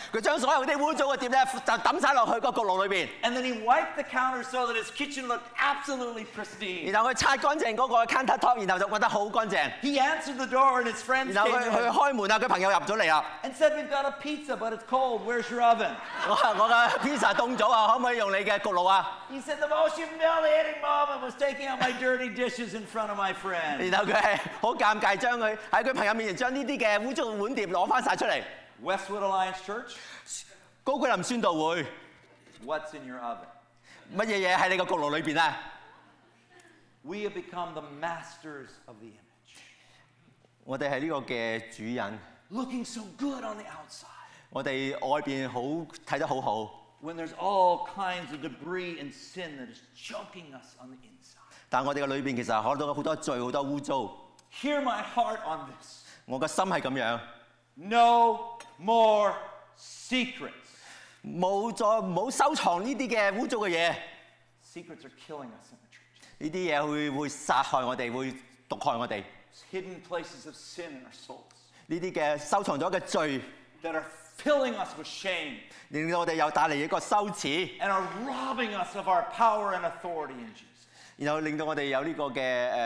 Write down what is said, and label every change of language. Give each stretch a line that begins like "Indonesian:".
Chinese: 他將所有的污糟的碟就丟在焗爐裡面。
English: And then he wiped the counters so that his kitchen looked absolutely pristine. He answered the door and his friends came in and said, we've got a pizza, but it's cold. Where's your oven? He said, the most humiliating moment was taking out my dirty dishes in front of my friend. Westwood Alliance Church, what's in your oven? We have become the masters of the image.
Chinese: 我們是這個主人,
English: looking so good on the outside.
Chinese: 我們外面看得很好,
English: when there's all kinds of debris and sin that is choking us on the inside.
Chinese: 但我們的裡面其實有很多罪,很多骯髒。
English: Hear my heart on this.
Chinese: 我的心是這樣,
English: no more secrets.
Chinese: 沒有收藏這些骯髒的東西。
English: Secrets are killing us in the church. These hidden places of sin in our souls that are filling us with shame and are robbing us of our power and authority in Jesus.